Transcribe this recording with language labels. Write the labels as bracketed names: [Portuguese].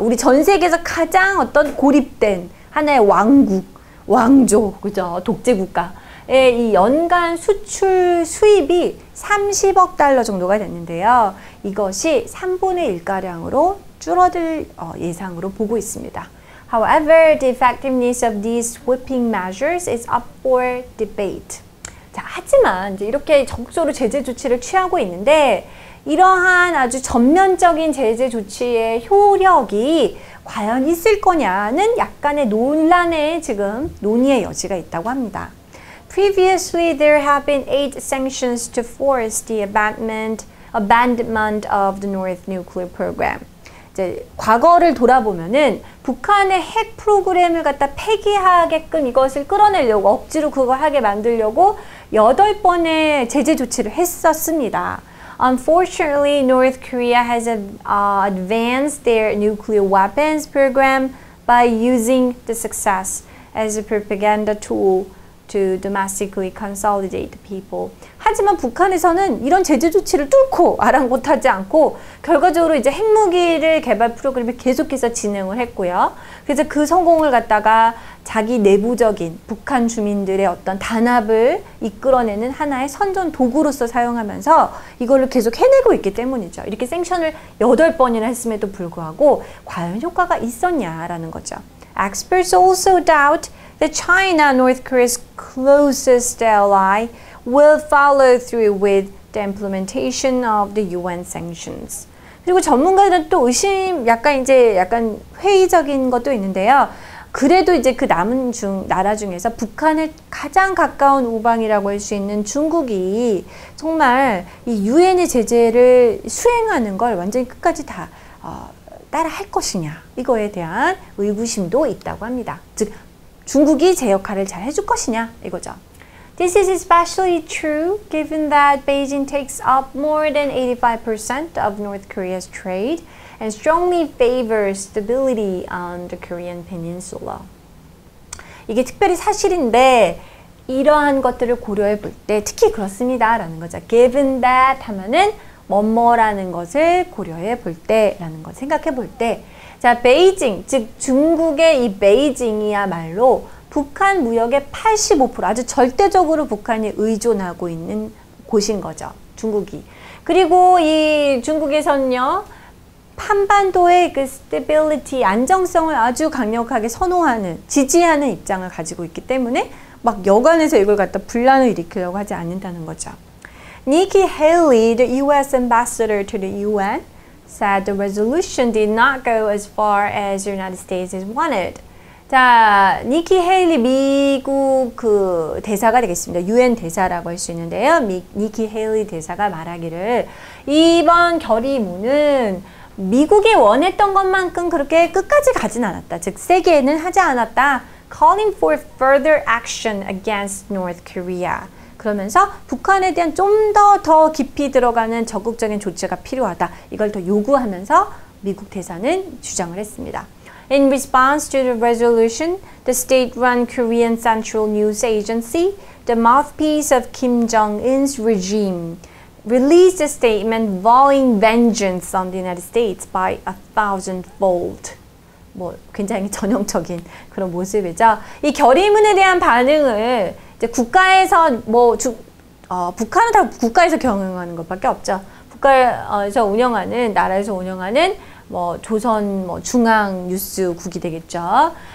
[Korean] 우리 전 세계에서 가장 어떤 고립된 하나의 왕국, 왕조, 그죠? 독재 국가의 이 연간 수출 수입이 30억 달러 정도가 됐는데요. 이것이 3분의 1가량으로 줄어들 예상으로 보고 있습니다. [English] However, the effectiveness of these sweeping measures is up for debate. [Korean] 자, 하지만 이제 이렇게 적극적으로 제재 조치를 취하고 있는데 이러한 아주 전면적인 제재 조치의 효력이 과연 있을 거냐는 약간의 논란의 지금 논의의 여지가 있다고 합니다. [English] Previously, there have been 8 sanctions to force the abandonment of the North nuclear program. [Korean] 이제 과거를 돌아보면은 북한의 핵 프로그램을 갖다 폐기하게끔 이것을 끌어내려고 억지로 그걸 하게 만들려고 8번의 제재 조치를 했었습니다. [English] Unfortunately, North Korea has advanced their nuclear weapons program by using the success as a propaganda tool to domestically consolidate the people. [Korean] 하지만 북한에서는 이런 제재 조치를 뚫고 아랑곳하지 않고 결과적으로 이제 핵무기를 개발 프로그램을 계속해서 진행을 했고요. 그래서 그 성공을 갖다가 자기 내부적인 북한 주민들의 어떤 단합을 이끌어내는 하나의 선전 도구로서 사용하면서 이걸 계속 해내고 있기 때문이죠. 이렇게 생션을 8번이나 했음에도 불구하고 과연 효과가 있었냐라는 거죠. [English] Experts also doubt that China, North Korea's closest ally, will follow through with the implementation of the UN sanctions. [Korean] 그리고 전문가들은 또 의심, 약간 회의적인 것도 있는데요. 그래도 이제 그 남은 나라 중에서 북한에 가장 가까운 우방이라고 할 수 있는 중국이 정말 이 UN의 제재를 수행하는 걸 완전히 끝까지 다 따라 할 것이냐. 이거에 대한 의구심도 있다고 합니다. 즉, 중국이 제 역할을 잘 해줄 것이냐. 이거죠. [English] This is especially true given that Beijing takes up more than 85% of North Korea's trade and strongly favors stability on the Korean Peninsula. [Korean] 이게 특별히 사실인데 이러한 것들을 고려해 볼 때 특히 그렇습니다라는 거죠. Given that 하면은 뭐뭐라는 것을 고려해 볼 때라는 것 생각해 볼 때 자, 베이징 즉 중국의 이 베이징이야말로 북한 무역의 85% 아주 절대적으로 북한이 의존하고 있는 곳인 거죠. 중국이. 그리고 이 중국에서는요. 한반도의 그 스테빌리티 안정성을 아주 강력하게 선호하는 지지하는 입장을 가지고 있기 때문에 막 여관에서 이걸 갖다 분란을 일으키려고 하지 않는다는 거죠. [English] Nikki Haley, the US ambassador to the UN, said the resolution did not go as far as the United States has wanted. [Korean] 자, 니키 헤일리 미국 그 대사가 되겠습니다. UN 대사라고 할 수 있는데요. 니키 헤일리 대사가 말하기를 이번 결의문은 미국이 원했던 것만큼 그렇게 끝까지 가진 않았다. 즉, 세게는 하지 않았다. [English] Calling for further action against North Korea. [Korean] 그러면서 북한에 대한 좀 더 깊이 들어가는 적극적인 조치가 필요하다. 이걸 더 요구하면서 미국 대사는 주장을 했습니다. [English] In response to the resolution, the state-run Korean Central News Agency, the mouthpiece of Kim Jong-un's regime, released a statement vowing vengeance on the United States by a thousandfold. [Korean] 뭐 굉장히 전형적인 그런 모습이죠. 이 결의문에 대한 반응을 이제 국가에서 북한은 다 국가에서 경영하는 것밖에 없죠. 국가에서 운영하는 나라에서 운영하는 뭐 조선 뭐 중앙 뉴스국이 되겠죠.